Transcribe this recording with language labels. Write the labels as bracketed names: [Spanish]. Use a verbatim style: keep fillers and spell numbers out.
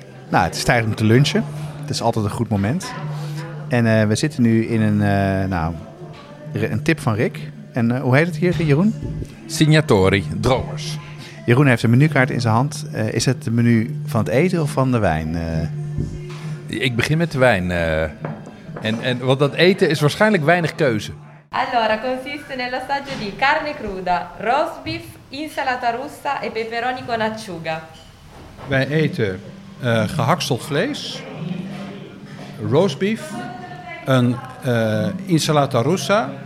[Dutch] Nou, het is tijd om te lunchen. Het is altijd een goed moment. En uh, we zitten nu in een, uh, nou, een tip van Rick. En uh, hoe heet het hier, Jeroen? Signatori, Dromers. Jeroen heeft een menukaart in zijn hand. Uh, is het het menu van het eten of van de wijn? Uh... Ik begin met de wijn. Uh, en, en want dat eten is waarschijnlijk weinig keuze. [Italian] Allora, consiste nell'assaggio di carne cruda, roast beef, insalata russa e peperoni con acciuga. [Dutch] Wij eten uh, gehakteld vlees, roast beef, een uh, insalata russa.